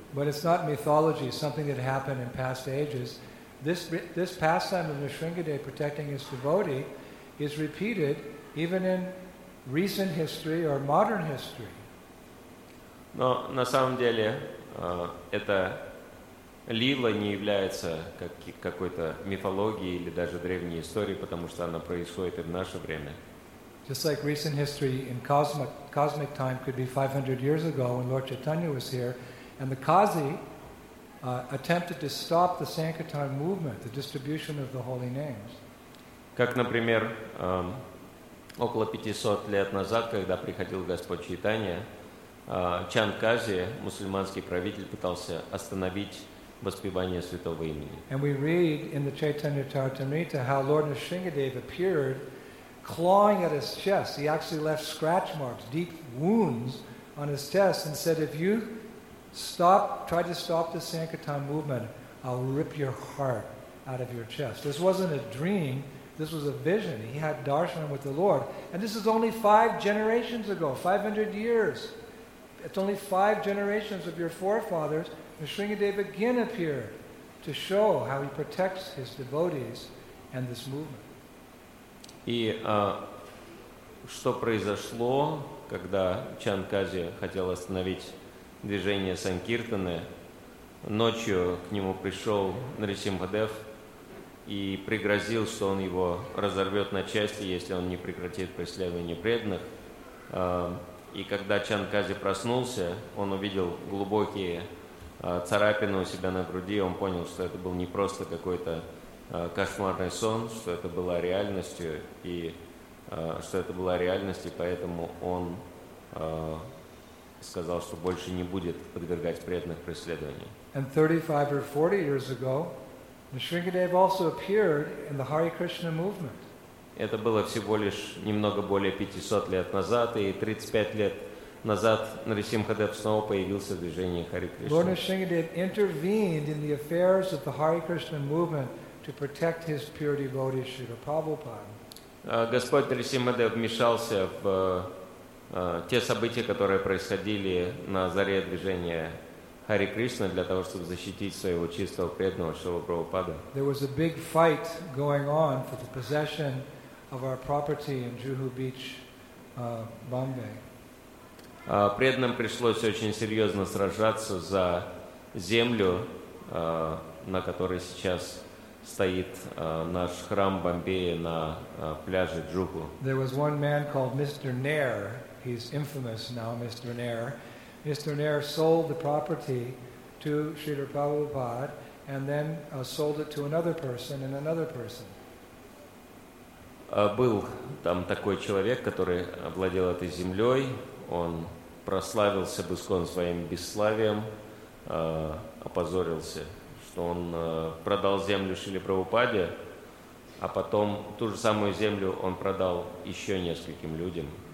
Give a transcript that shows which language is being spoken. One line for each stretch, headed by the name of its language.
English: But it's not mythology, something that happened in past ages. This pastime of Nrisimhadev protecting his devotee is repeated even in recent history or modern history.
Russian: Но на самом деле эта лила не является какой-то мифологией или даже древней историей, потому что она происходит и в наше время.
English: Just like recent history in cosmic time could be 500 years ago when Lord Chaitanya was here, and the Kazi attempted to stop the Sankirtan movement, the distribution of the holy names.
Russian: Как, например, около 500 лет назад, когда приходил Господь Чайтанья, Чан Кази, мусульманский правитель, пытался остановить воспевание святого имени.
English: And we read in the Chaitanya Charitamrita how Lord Nrisimhadev appeared clawing at his chest. He actually left scratch marks, deep wounds on his chest, and said, if you stop, try to stop the Sankirtan movement, I'll rip your heart out of your chest. This wasn't a dream. This was a vision. He had darshan with the Lord. And this is only 5 generations ago, 500 years. It's only 5 generations of your forefathers. Nrisimhadev again appeared to show how he protects his devotees and this movement.
Russian: И что произошло, когда Чан Кази хотел остановить движение Санкиртаны, ночью к нему пришел Нрисимхадев и пригрозил, что он его разорвет на части, если он не прекратит преследование преданных. И когда Чан Кази проснулся, он увидел глубокие царапины у себя на груди, он понял, что это был не просто какой-то кошмарный сон, что это была реальностью, и что это была реальность, и поэтому он сказал, что больше не будет подвергать преданных преследованию.
English: And 35 or 40 years ago, Nrisimhadev also appeared in the Hare Krishna movement.
Russian: Это было всего лишь немного более 500 лет назад, и 35 лет назад Нрисимхадев снова появился в движении Hare Krishna.
English: Lord Nrisimhadev intervened in the affairs of the Hare Krishna movement to protect his pure devotee Srila Prabhupada.
Russian: Господь Нрисимхадев вмешался в те события, которые происходили на заре движения Hare Krishna для того, чтобы защитить своего чистого преданного Шрилу Прабхупаду.
English: There was a big fight going on for the possession of our property in Juhu Beach, Bombay.
Russian: Преданным пришлось очень серьезно сражаться за землю, на которой сейчас стоит наш храм Бомбея на пляже Джуху.
English: There was one man called Mr. Nair. He's infamous now, Mr. Nair. Mr. Nair sold the property to Srila Prabhupada and then sold it to another person and another person.
Russian: Был там такой человек, который владел этой землей. Он прославился бы своим бесславием, опозорился, что он продал землю Шиле Прабхупаде, а потом ту же самую землю он продал еще нескольким людям.